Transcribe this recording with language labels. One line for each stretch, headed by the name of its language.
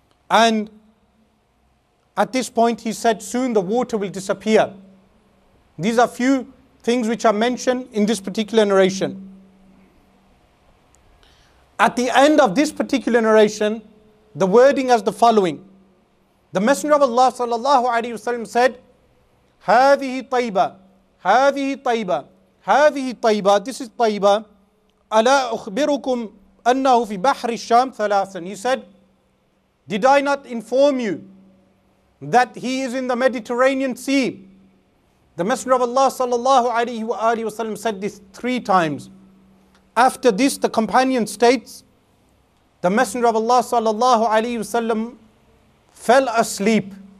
English: And at this point he said, soon the water will disappear. These are few things which are mentioned in this particular narration. At the end of this particular narration, the wording is the following. The Messenger of Allah sallallahu alaihi wasallam said,
Arabic: هَذِهِ طَيْبَ, هَذِهِ طَيْبَ, هذه طيبة,
English: this is
Arabic: طيبة, ألا أخبركم أنه في بحر الشام ثلاثا.
English: He said, did I not inform you that he is in the Mediterranean Sea? The Messenger of Allah sallallahu alayhi wa alayhi wa sallam said this three times. After this, the companion states, The Messenger of Allah sallallahu alayhi wa sallam fell asleep.